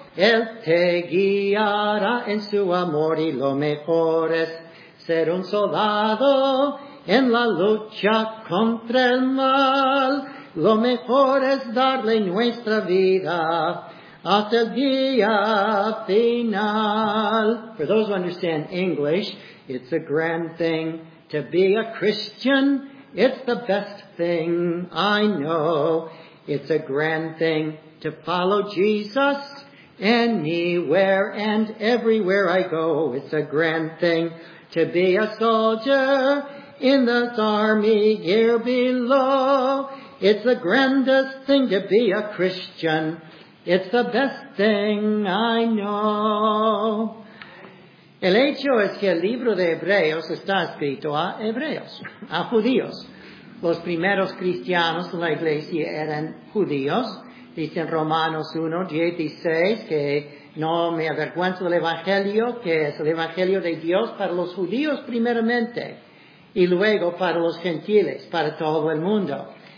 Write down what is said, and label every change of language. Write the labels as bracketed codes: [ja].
[es] Él te guiará en su amor. Y lo mejor es ser un soldado en la lucha contra el mal. Lo mejor es darle nuestra vida hasta el día final. [en] For those who understand English, it's a grand thing to be a Christian. It's the best thing I know. It's a grand thing to follow Jesus anywhere and everywhere I go. It's a grand thing to be a soldier in this army here below. It's the grandest thing to be a Christian. It's the best thing I know. [es] El hecho es que el libro de Hebreos está escrito a hebreos, a judíos. Los primeros cristianos en la iglesia eran judíos. Dice en Romanos 1, 16, que no me avergüenzo del evangelio, que es el evangelio de Dios para los judíos primeramente, y luego para los gentiles, para todo el mundo.